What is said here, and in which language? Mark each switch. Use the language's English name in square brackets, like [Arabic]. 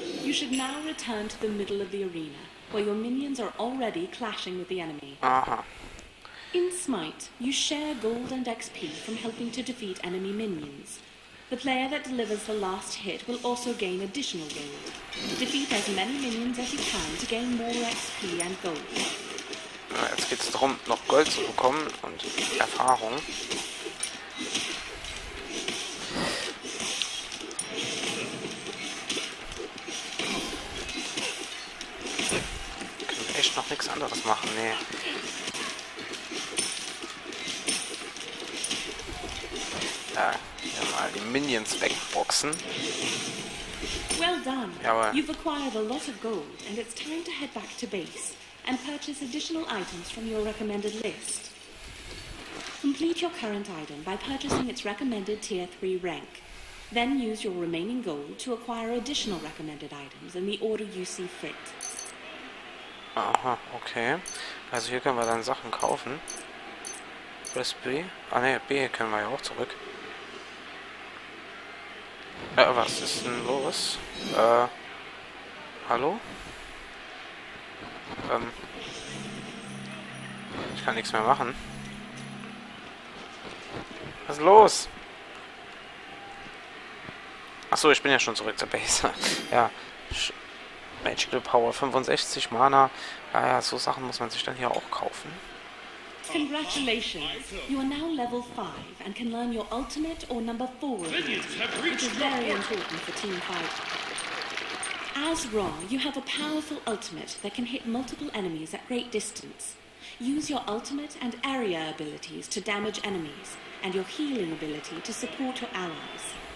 [English] You should now return to the middle of the arena, where your minions are already clashing with the enemy. Aha. In Smite, you share gold and XP from helping to defeat enemy minions. The player that delivers the last hit will also gain additional gold. Defeat as many minions as you can to gain more XP and gold. [German] Na, jetzt geht's darum, noch Gold zu bekommen und Erfahrung. Können wir echt noch nichts anderes machen, nee. Ja, hier mal die Minions wegboxen. [English] Well done. [German] Jawohl. [English] You've acquired a lot of gold and it's time to head back to base and purchase additional items from your recommended list. Complete your current item by purchasing its recommended Tier 3 rank. Then use your remaining gold to acquire additional recommended items in the order you see fit. Aha, okay. [German] Also hier können wir dann Sachen kaufen. [English] Press B. [German] Ah ne, B können wir ja auch zurück. Was ist denn los? Hallo? Ich kann nichts mehr machen. Was ist los? Achso, ich bin ja schon zurück zur Base. Ja. Magical Power 65 Mana. Ja, so Sachen muss man sich dann hier auch kaufen. [English] Congratulations! You are now level 5 and can learn your ultimate or number 4 ability, which is very important for Team 5. As Ra, you have a powerful ultimate that can hit multiple enemies at great distance. Use your ultimate and area abilities to damage enemies and your healing ability to support your allies.